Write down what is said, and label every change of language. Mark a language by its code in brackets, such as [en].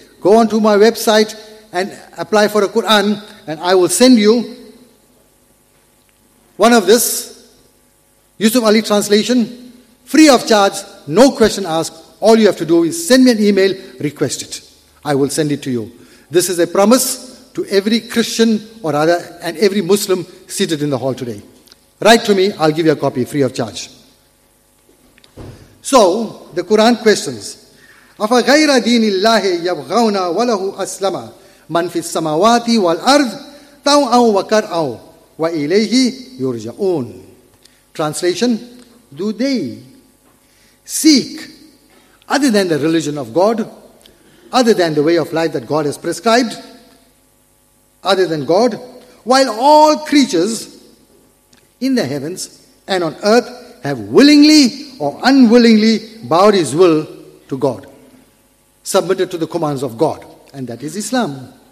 [en] Go onto my website and apply for a Quran, and I will send you one of this, Yusuf Ali translation, free of charge, no question asked. All you have to do is send me an email, request it. I will send it to you. This is a promise to every Christian, or rather, and every Muslim seated in the hall today. Write to me, I'll give you a copy free of charge. So, the Quran questions, [ar] أَفَغَيْرَ دِينِ اللَّهِ يَبْغَوْنَ وَلَهُ أَسْلَمَ مَنْ فِي السَّمَوَاتِ وَالْأَرْضِ تَوْعَوْ وَكَرْعَوْ وَإِلَيْهِ يُرْجَعُونَ. [en] Translation, do they seek, other than the religion of God, other than the way of life that God has prescribed, other than God, while all creatures in the heavens and on earth have willingly or unwillingly bowed his will to God, submitted to the commands of God, and that is Islam.